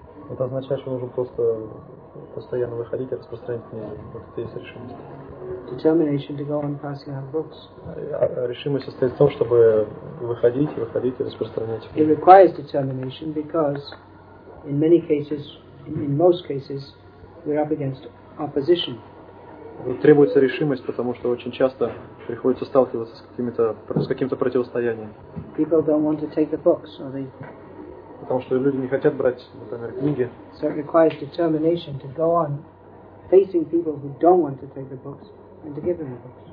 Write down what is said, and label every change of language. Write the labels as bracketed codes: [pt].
[ru] Это означает, что нужно просто постоянно выходить и распространять книги. Вот это есть решимость. [en] Determination to go on passing out books. [ru] Решимость состоит в том, чтобы выходить, выходить и распространять книги. [en] It requires determination because in many cases, in most cases, we're up against opposition. [ru] Требуется решимость, потому что очень часто приходится сталкиваться с каким-то противостоянием. [en] People don't want to take the books, or they. [ru] Потому что люди не хотят брать, например, книги. [en] So it requires determination to go on facing people who don't want to take the books and to give them the books.